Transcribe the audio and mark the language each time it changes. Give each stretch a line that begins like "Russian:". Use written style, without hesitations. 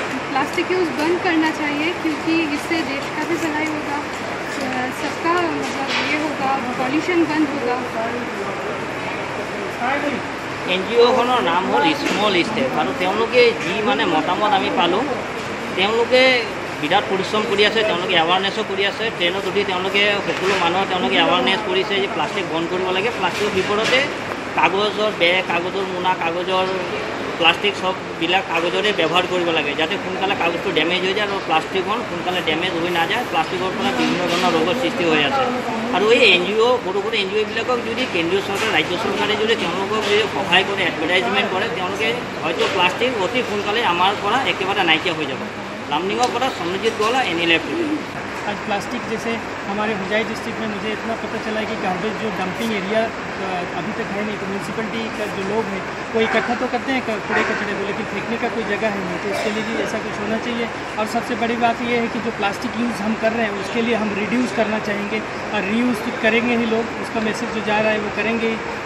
Hindi: Plastic use बंद करना चाहिए क्योंकि इससे देश का भी भलाई होगा सबका मतलब ये होगा पॉल्यूशन बंद होगा।
Assamese: NGO খনৰ নাম হ'ল স্মল ষ্টেপ আৰু তেওঁলোকে যি মানে মতামত আমি পালোঁ তেওঁলোকে বিৰাট পৰিশ্ৰম কৰি আছে তেওঁলোকে এৱাৰনেছো কৰি আছে ট্ৰেইনত উঠি তেওঁলোকে সকলো মানুহ তেওঁলোকে এৱাৰনেছ কৰিছে যে প্লাষ্টিক বন্ধ কৰিব লাগে প্লাষ্টিকৰ বিপৰীতে কাগজৰ বেগ কাগজৰ মোনা কাগজৰ প্লাষ্টিক সববিলাক কাগজৰে ব্যৱহাৰ কৰিব লাগে যাতে সোনকালে কাগজটো ডেমেজ হৈ যায় আৰু প্লাষ্টিকখন সোনকালে ডেমেজ হৈ নাযায় প্লাষ্টিকৰ পৰা বিভিন্ন ধৰণৰ ৰোগৰ সৃষ্টি হৈ আছে আৰু এই NGO বড়ো বড়ো NGOবিলাকক যদি কেন্দ্ৰীয় চৰকাৰ ৰাজ্য চৰকাৰে যদি তেওঁলোকক যদি সহায় কৰে এডভাৰ্টাইজমেণ্ট কৰে তেওঁলোকে হয়তো প্লাষ্টিক অতি সোনকালে আমাৰ পৰা একেবাৰে নাইকিয়া হৈ যাব। লামডিঙৰ পৰা সমৃজিত গোলা NLF।
Hindi: आज प्लास्टिक जैसे हमारे हुजाए डिस्ट्रिक्ट में मुझे इतना पता चला है कि गार्बेज जो डंपिंग एरिया अभी तक है नहीं तो म्यूनसिपलिटी का जो लोग हैं वो इकट्ठा तो करते हैं कूड़े कचड़े को लेकिन फेंकने का कोई जगह है नहीं तो इसके लिए भी ऐसा कुछ होना चाहिए और सबसे बड़ी बात यह है कि जो प्लास्टिक यूज़ हम कर रहे हैं उसके लिए हम रिड्यूस करना चाहेंगे और रीयूज करेंगे ही लोग उसका मैसेज जो जा रहा है वो करेंगे ही।